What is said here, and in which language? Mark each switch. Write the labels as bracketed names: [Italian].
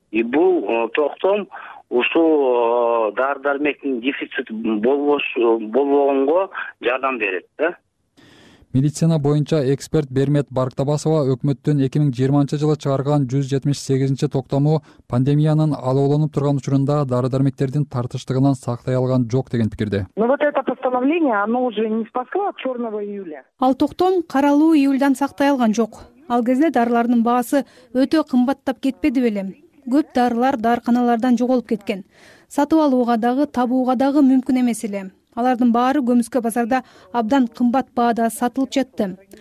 [Kyrgyz] И бул токтом ушул дары дармектин дефицити болбогонго жардам берет да. Медицина боюнча эксперт Бермет Барктабасова өкмөттүн 2020 жылы чыгарган 178 токтому пандемиянын алооланып турган учурунда дары дармектердин тартыштыгынан сактай алган жок деген пикирде. [Russian] Но вот это постановление, оно уже не спасло от черного июля. [Kyrgyz] Ал токтом каралуу июлдан сактай алган жок. Ал кезде дарылардын баасы өтө кымбаттап кетпеди беле? Көп дарылар дарканалардан жоголуп кеткен. Сатып алууга дагы, табууга дагы мүмкүн эмес эле. Алардын баары көмүскө базарда абдан кымбат баада сатылып жатты.